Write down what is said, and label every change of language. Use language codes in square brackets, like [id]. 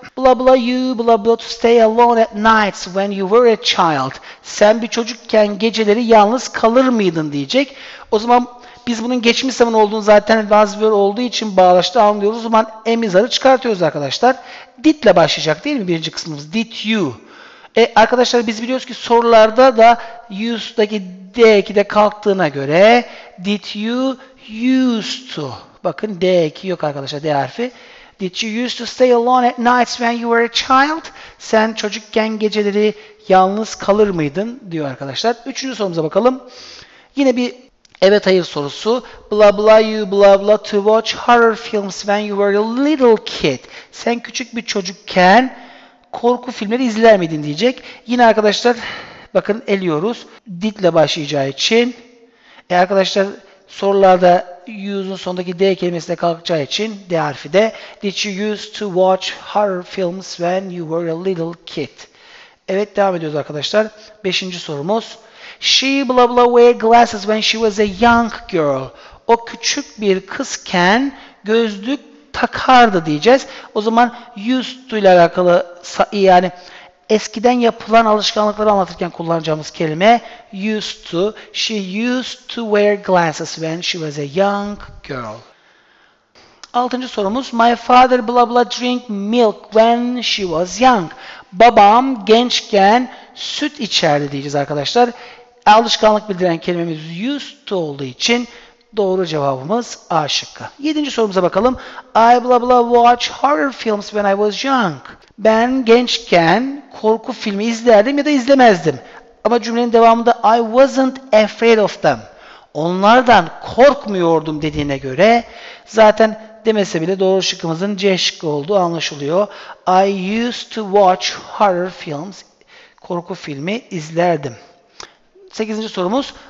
[en] Blah blah you blah blah to stay alone at nights when you were a child. [tr] Sen bir çocukken geceleri yalnız kalır mıydın diyecek. O zaman biz bunun geçmiş zaman olduğunu zaten was were olduğu için bağlaştı anlıyoruz. O zaman am'i çıkartıyoruz arkadaşlar. Did ile başlayacak değil mi birinci kısmımız? [en] Did you? [tr] Arkadaşlar biz biliyoruz ki sorularda da used'daki d2 de kalktığına göre [en] did you used to? [tr] Bakın D2 yok arkadaşlar, D harfi. [en] Did you used to stay alone at nights when you were a child? [tr] Sen çocukken geceleri yalnız kalır mıydın? Diyor arkadaşlar. Üçüncü sorumuza bakalım. Yine bir evet hayır sorusu. [en] Blah blah you blah blah to watch horror films when you were a little kid. [tr] Sen küçük bir çocukken korku filmleri izler miydin diyecek. Yine arkadaşlar bakın eliyoruz. Did ile başlayacağı için. Arkadaşlar sorularda use'un sondaki D kelimesi de kalkacağı için D harfi de. [en] Did you used to watch horror films when you were a little kid? [tr] Evet devam ediyoruz arkadaşlar. Beşinci sorumuz. [en] She blah blah wear glasses when she was a young girl. [tr] O küçük bir kızken gözlük takardı diyeceğiz. O zaman used to ile alakalı yani eskiden yapılan alışkanlıkları anlatırken kullanacağımız kelime used to. [en] She used to wear glasses when she was a young girl. [tr] Altıncı sorumuz. [en] My father blah blah drink milk when she was young. [tr] Babam gençken süt içerdi diyeceğiz arkadaşlar. Alışkanlık bildiren kelimemiz used to olduğu için doğru cevabımız A şıkkı. Yedinci sorumuza bakalım. [en] I blah blah watch horror films when I was young. [tr] Ben gençken korku filmi izlerdim ya da izlemezdim. Ama cümlenin devamında [en] I wasn't afraid of them. [tr] Onlardan korkmuyordum dediğine göre zaten demese bile doğru şıkkımızın C şıkkı olduğu anlaşılıyor. [en] I used to watch horror films. [tr] Korku filmi izlerdim. Sekizinci sorumuz.